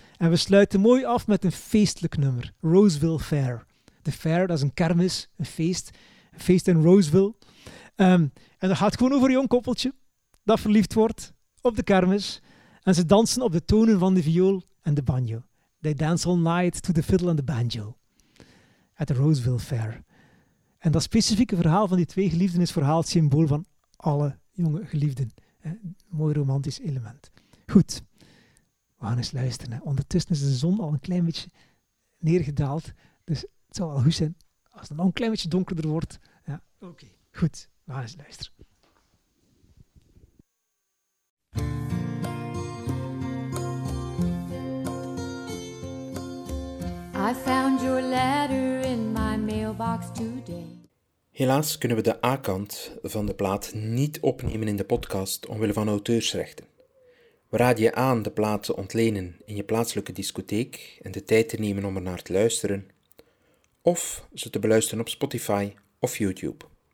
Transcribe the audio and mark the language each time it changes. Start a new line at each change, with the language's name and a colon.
Dutch: En we sluiten mooi af met een feestelijk nummer, Roseville Fair. De fair, dat is een kermis, een feest in Roseville. En dat gaat gewoon over een jong koppeltje dat verliefd wordt op de kermis. En ze dansen op de tonen van de viool en de banjo.
English: They dance all night to the fiddle and the banjo at the Roseville Fair.
Dutch: En dat specifieke verhaal van die twee geliefden is verhaal symbool van alle jonge geliefden. Mooi romantisch element. Goed, we gaan eens luisteren. Hè. Ondertussen is de zon al een klein beetje neergedaald. Dus het zou wel goed zijn als het nog een klein beetje donkerder wordt. Ja. Oké, okay. Goed, we gaan eens luisteren.
English: I found your letter in my mailbox today.
Dutch: Helaas kunnen we de A-kant van de plaat niet opnemen in de podcast omwille van auteursrechten. We raden je aan de plaat te ontlenen in je plaatselijke discotheek en de tijd te nemen om er naar te luisteren, of ze te beluisteren op Spotify of YouTube.